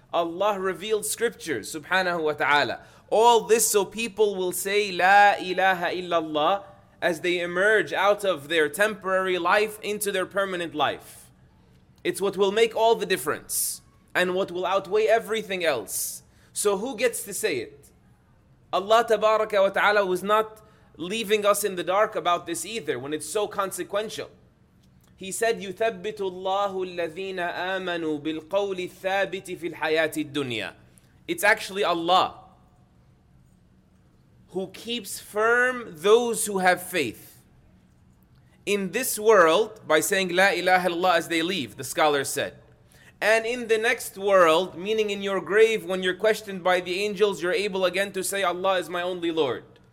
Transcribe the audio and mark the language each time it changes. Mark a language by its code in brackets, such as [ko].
[en] Allah revealed scriptures, subhanahu wa ta'ala. All this so people will say, La ilaha illallah, as they emerge out of their temporary life into their permanent life. It's what will make all the difference and what will outweigh everything else. So who gets to say it? Allah tabaraka wa ta'ala was not leaving us in the dark about this either, when it's so consequential. [ar] He said, يُثَبِّتُ اللَّهُ الَّذِينَ آمَنُوا بِالْقَوْلِ الثَّابِتِ فِي الْحَيَاةِ الدُّنْيَا. [en] It's actually Allah who keeps firm those who have faith in this world by saying La ilaha illallah as they leave, the scholar said. And in the next world, meaning in your grave, when you're questioned by the angels, you're able again to say Allah is my only Lord.